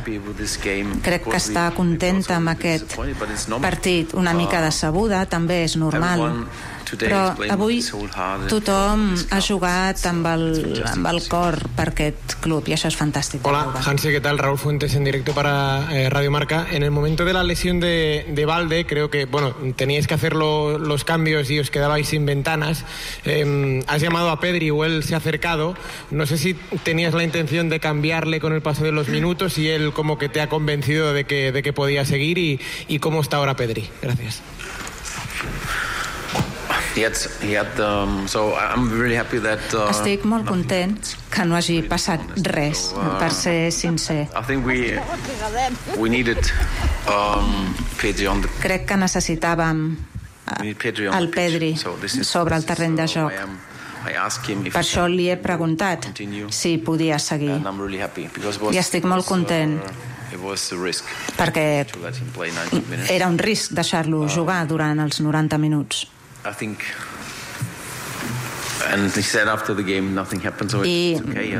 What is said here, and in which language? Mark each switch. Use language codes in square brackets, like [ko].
[ca] Crec que està contenta amb aquest partit. Una mica decebuda, també és normal. Però avui tothom ha jugat amb el cor per aquest club i això és fantàstic. [es] Hola, Hansi, [ca] què tal? [es] Raúl Fuentes en directo para Radio Marca. En el momento de la lesión de Balde, creo que, bueno, teníais que hacer los cambios y os quedabais sin ventanas. Has llamado a Pedri o él se ha acercado. No sé si tenías la intención de cambiarle con el paso de los minutos y él como que te ha convencido de que podía seguir y cómo está ahora Pedri. Gracias. [ca] Estic molt content que no hagi passat res, per ser sincer. Crec que necessitàvem el Pedri sobre el terreny de joc. Per això li he preguntat si podia seguir. I estic molt content. [en] It was a risk. [ca] Perquè era un risc deixar-lo jugar durant els 90 minuts. [en] I think, and he said after the game nothing happened, so it's okay.